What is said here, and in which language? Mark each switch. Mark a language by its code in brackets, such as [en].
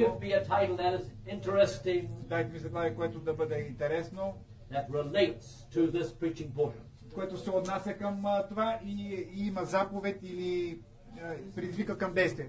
[en] Give me a title that is interesting. [bg] Дайте ми заглавие, което да бъде интересно. [en] That relates to this preaching portion. [bg] Което се отнася към това и има заповед или предизвика към действие.